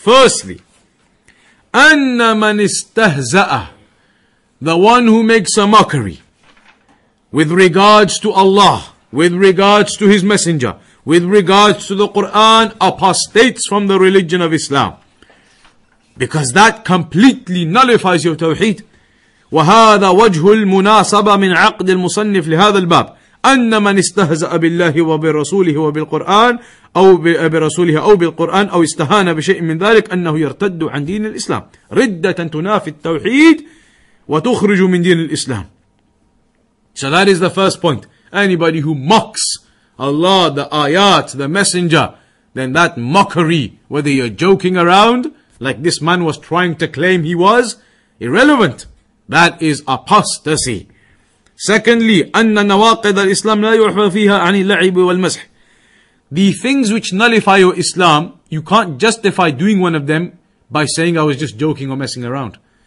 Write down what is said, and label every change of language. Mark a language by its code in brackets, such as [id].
[en] Firstly, [ar] أَنَّ مَنِ اسْتَهْزَأَ, [en] the one who makes a mockery with regards to Allah, with regards to His Messenger, with regards to the Qur'an, apostates from the religion of Islam. Because that completely nullifies your tawheed. [ar] وَهَذَا وَجْهُ الْمُنَاسَبَ مِنْ عَقْدِ الْمُصَنِّفِ لِهَذَا الْبَابِ أَنَّ مَنِ اسْتَهْزَأَ بِاللَّهِ وَبِرَسُولِهِ وَبِالْقُرْآنِ أَوْ بِرَسُولِهِ أَوْ بِالْقُرْآنِ أَوْ اسْتَهَانَ بِشَيْءٍ مِنْ ذَلِكَ أَنَّهُ يَرْتَدُّ عَنْ دِينِ الْإِسْلَامِ رِدَّةً تُنَافِي التَّوْحِيدِ وَتُخْرِجُ مِنْ دِينِ الْإِسْلَامِ. [en] So that is the first point. Anybody who mocks Allah, the ayat, the messenger, then that mockery, whether you're joking around, like this man was trying to claim he was, irrelevant. That is apostasy. Secondly, [ar] أَنَّ نَوَاقِدَ الْإِسْلَامِ لَا يُحْفَى فِيهَا عَنِ اللَّعِبِ وَالْمَسْحِ, [en] the things which nullify your Islam, you can't justify doing one of them by saying I was just joking or messing around.